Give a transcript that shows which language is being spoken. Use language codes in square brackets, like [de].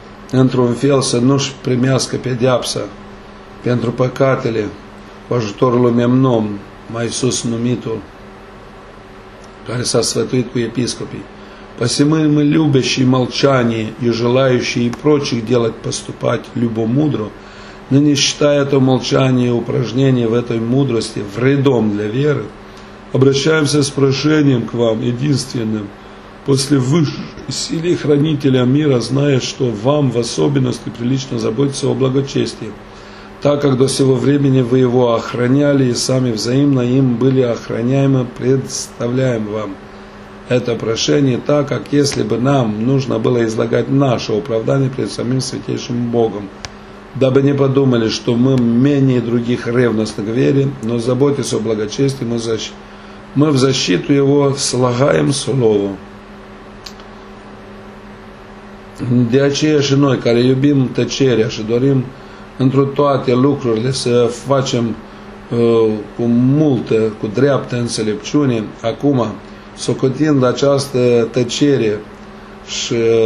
[ro] într-un fel să nu-și primească pedeapsa pentru păcatele cu ajutorul lui Memnon, mai sus numitul, care s-a sfătuit cu episcopii. [ru] Посемымы любящие молчание и желающие и прочих делать поступать любомудро, но не считая то молчание и упражнение в этой мудрости вредом для веры, обращаемся с прошением к вам, единственным, после высшей силы хранителя мира, зная, что вам в особенности прилично заботиться о благочестии, так как до сего времени вы его охраняли и сами взаимно им были охраняемы, представляем вам это прошение так, как если бы нам нужно было излагать наше оправдание пред самим Святейшим Богом, дабы не подумали, что мы менее других ревностны к вере, но заботясь о благочестии, мы в защиту его слагаем слово. [ro] De aceea și noi, care iubim tăcerea și dorim într-o toate lucrurile să facem cu multă, cu dreaptă înțelepciune, acum, socotind această tăcere și